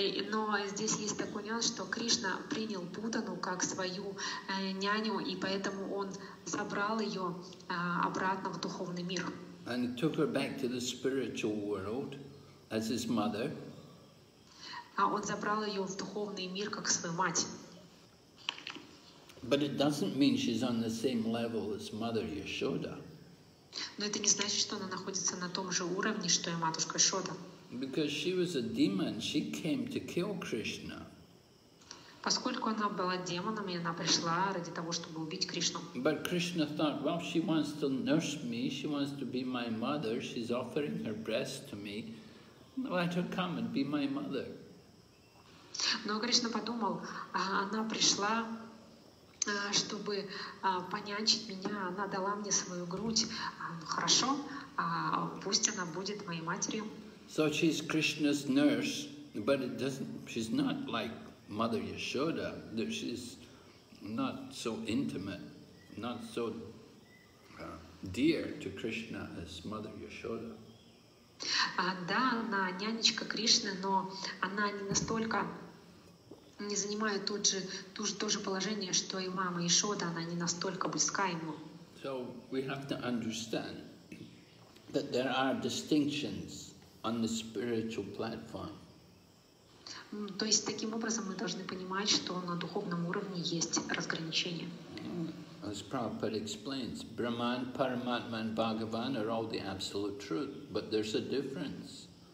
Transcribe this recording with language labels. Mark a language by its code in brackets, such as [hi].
[ru] Но здесь есть такой нюанс, что Кришна принял Путану как свою няню, и поэтому он забрал ее обратно в духовный мир. [en] And took her back to the spiritual world. As his mother. [ru] Он забрал ее в духовный мир как свою мать. [en] But it doesn't mean she's on the same level as Mother Yashoda. [ru] Но это не значит, что она находится на том же уровне, что и матушка Шода. [en] Because she was a demon, she came to kill Krishna. [ru] Поскольку она была демоном, и она пришла ради того, чтобы убить Кришну. [en] But Krishna thought, well, she wants to nurse me, she wants to be my mother, she's offering her breast to me. Let her come and be my mother. [ru] Но Кришна подумал, она пришла, чтобы понянчить меня, она дала мне свою грудь. Хорошо, пусть она будет моей матерью. [en] So she's Krishna's nurse. But it doesn't, she's not like Mother Yashoda, that she's not so intimate, not so dear to Krishna as Mother Yashoda. [ru] Да, она нянечка Кришны, но она не настолько не занимает то же положение, что и мама Ишода, она не настолько близка ему. [en] So we have to understand that there are distinctions on the spiritual platform. [ru] То есть таким образом мы должны понимать, что на духовном уровне есть разграничения. [en] As Prabhupada explains, Brahman, Paramatma, and Bhagavan are all the absolute truth, but there's a difference.